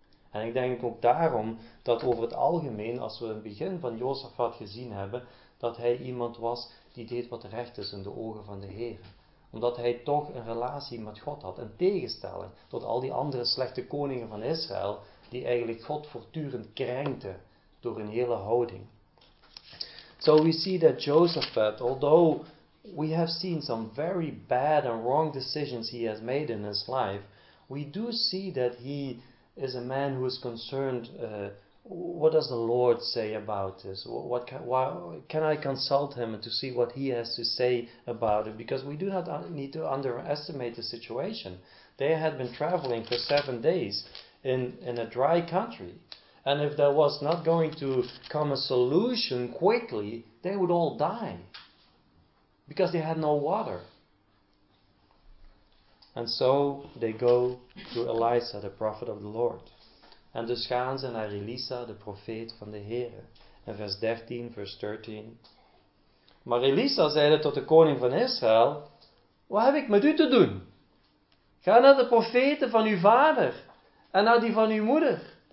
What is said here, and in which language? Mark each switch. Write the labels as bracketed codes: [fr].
[nl] En ik denk ook daarom dat over het algemeen, als we het begin van Jehoshaphat gezien hebben, dat hij iemand was die deed wat recht is in de ogen van de Heer. Omdat hij toch een relatie met God had. In tegenstelling tot al die andere slechte koningen van Israël, die eigenlijk God voortdurend krenkten door hun hele houding. [en] So we see that Jehoshaphat, although we have seen some very bad and wrong decisions he has made in his life, we do see that he is a man who is concerned. What does the Lord say about this? Why can I consult him to see what he has to say about it? Because we do not need to underestimate the situation. They had been traveling for 7 days in a dry country. And if there was not going to come a solution quickly, they would all die. Because they had no water. And so they go to Elisha, the prophet of the Lord. [nl] En dus gaan ze naar Elisa, de profeet van de Heere. In vers 13, vers 13. Maar Elisa zeide tot de koning van Israël, wat heb ik met u te doen? Ga naar de profeten van uw vader en naar die van uw moeder.